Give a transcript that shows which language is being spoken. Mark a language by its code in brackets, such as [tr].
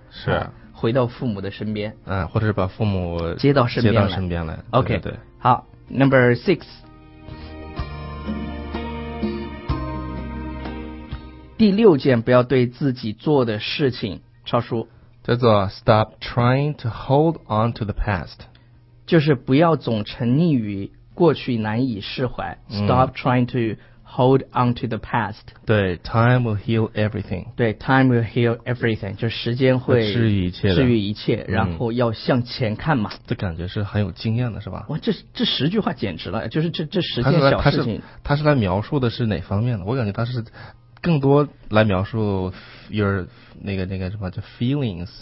[zh] 是回到父母的身边，或者是把父母接到身边来。 OK，对对对，好 ， [en] Number six， [zh] 第六件不要对自己做的事情，超叔叫做 [en] Stop trying to hold on to the past， [zh] 就是不要总沉溺于过去难以释怀 ， [en] Stop trying to。 Hold on to the past. [zh] 对 [en] ，time will heal everything. [zh] 对 [en] ，time will heal everything. [zh] 就时间会治愈一切，治愈一切，然后要向前看嘛。这感觉是很有经验的，是吧？哇，这十句话简直了，就是这十件小事情。他是来描述的是哪方面的？我感觉他是更多来描述 your 那个什么，就 feelings，